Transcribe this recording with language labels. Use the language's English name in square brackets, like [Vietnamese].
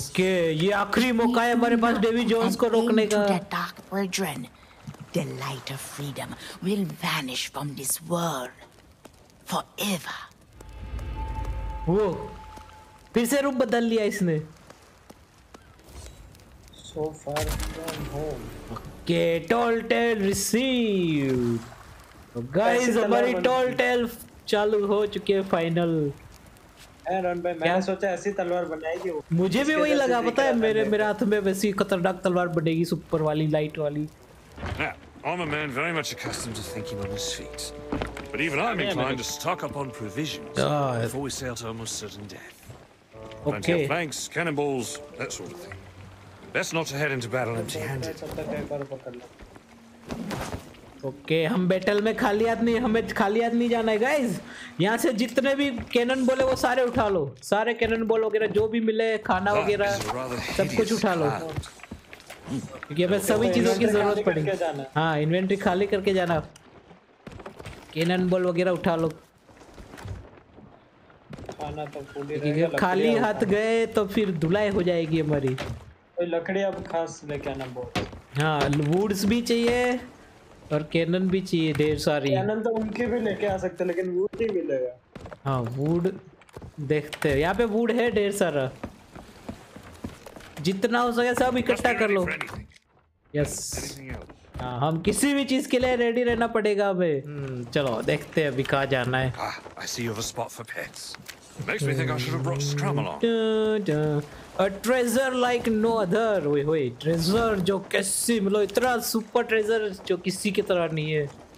[Hindi] Okay, ये आखिरी मौका है हमारे पास Davy Jones को रोकने का. [English] The dark brethren, the light of freedom, will vanish from this world forever. [Hindi] वो फिर से रूप बदल लिया इसने. [English] So far from home. Okay, tall tale received. Guys, [Hindi] हमारी tall tale चालू हो चुके फाइनल मुझे भी वही लगा पता है मेरे मेरे हाथ में वैसी खतरनाक तलवार बनेगी सुपर वाली लाइट वाली [English] I'm a man very much accustomed to thinking on his feet but even I'm inclined to stock up on provisions before we sail to almost certain death okay thanks cannibals that sort of thing best not to head into battle empty-handed [Hindi] okay हम battle में खाली हाथ नहीं हमें खाली हाथ नहीं जाना है गाइस यहाँ से जितने भी कैनन बोले वो सारे उठा लो सारे कैनन बोल वगैरह जो भी मिले खाना वगैरह सब कुछ उठा लो क्योंकि हमें सभी चीज़ों की जरूरत पड़ी हाँ इन्वेंट्री खाली करके जाना कैनन बोल वगैरह उठा लो खाना तो खाली हाथ गए तो फिर धुलाई हो जाएगी हमारी लकड़ी अब खास हाँ वुड्स भी चाहिए और कैनन भी चाहिए ढेर सारी। कैनन तो उनके भी लेके आ सकते लेकिन वुड नहीं मिलेगा। हाँ वुड देखते हैं, यहाँ पे वुड है ढेर सारा, जितना हो सके सब इकट्ठा कर लो। यस हाँ, हम किसी भी चीज के लिए रेडी रहना पड़ेगा हमें। चलो देखते हैं अभी कहाँ जाना है। [English] I see you have a spot for pets. Makes me think I should have brought Scrum along. A treasure like no other. Wait, wait. [Hindi] Treasure जो कैसी मतलब इतना सुपर ट्रेजर जो किसी की तरह नहीं है।